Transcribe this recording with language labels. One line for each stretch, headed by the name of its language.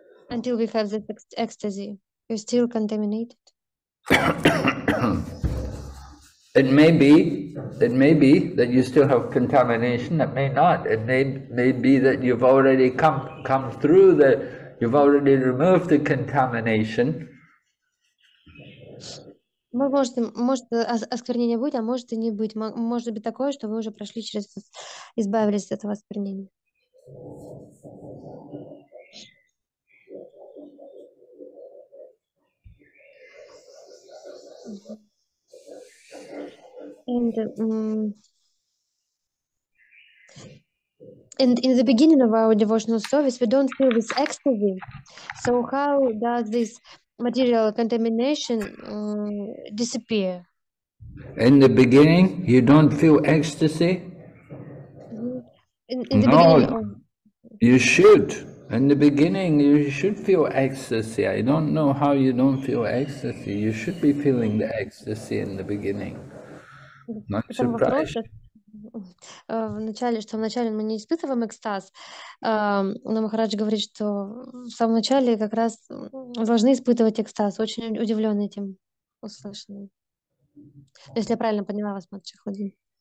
English: Until we have this ecstasy, you're still contaminated? It may be that you still have contamination. It may not. It may be that you've already come through the, you've already removed the contamination.
Russian: Может осквернение будет, а может и не быть. Может быть такое, что вы уже прошли через, избавились от этого осквернения.
English: And in the beginning of our devotional service, we don't feel this ecstasy. So how does this material contamination disappear? In the beginning, you don't feel ecstasy? In the beginning? You should. In the beginning, you should feel ecstasy. I don't know how you don't feel ecstasy. You should be feeling the ecstasy in the beginning. Not surprised.
Russian: В начале, что в начале мы не испытываем экстаз, но Махарадж говорит, что в самом начале как раз должны испытывать экстаз. Очень удивлен этим услышанным. Если я правильно поняла вас, Матчихуди.